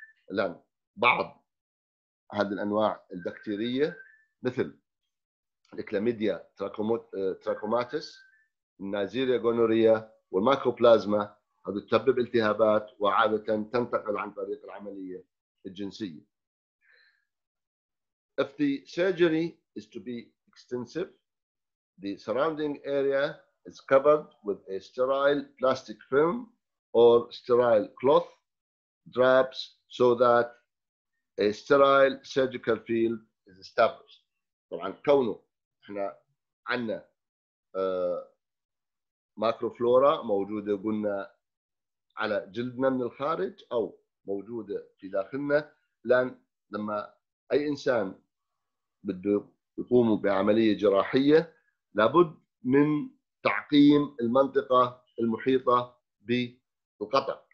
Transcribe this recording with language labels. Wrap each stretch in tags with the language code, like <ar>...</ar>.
<ar>الآن بعض هذه الأنواع البكتيرية مثل الكلاميديا تراكوماتس، النازيريا غونوريا والمايكوبلازما هذه تسبب التهابات وعادة تنتقل عن طريق العملية الجنسية.</ar> <en>If the surgery is to be extensive, the surrounding area is covered with a sterile plastic film or sterile cloth drapes so that a sterile surgical field is established.</en> <ar>طبعا كونه احنا عندنا مايكروفلورا موجوده قلنا على جلدنا من الخارج او موجوده في داخلنا، لان لما اي انسان بده يقوم بعمليه جراحيه لابد من تعقيم المنطقة المحيطة بالقطع.</ar>